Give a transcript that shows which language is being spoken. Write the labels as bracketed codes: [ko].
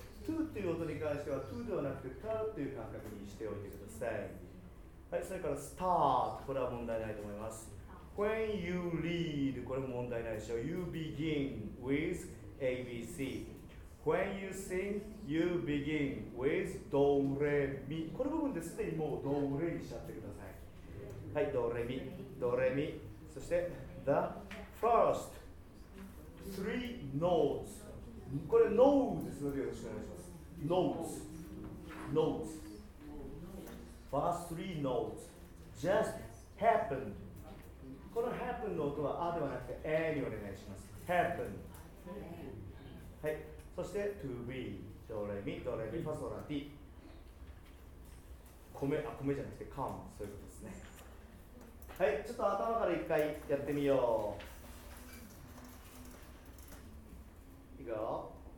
[ja] to という音に関しては to ではなくて ta という感覚にしておいてください。はい、それから start、 これは問題ないと思います。 [en] When you read、 [ja] これも問題ないでしょう。 [en] You begin with ABC。 When you sing、 You begin with ドレミ。 [ja] この部分ですでにもうドレにしちゃってください。はい、ドレミドレミ。そして [en] The first three notes、 [ja] これ notes ですのでよろしくお願いします。 [en] Notes Notes First three notes Just happened [ja] この happen の音は a ではなくて a にお願いします。 happen。 はい。そして to be。ドレミ、ドレミ、ファソラティ。米、あ、米じゃなくて come。そういうことですね。はい。ちょっと頭から一回やってみよう。いくよ。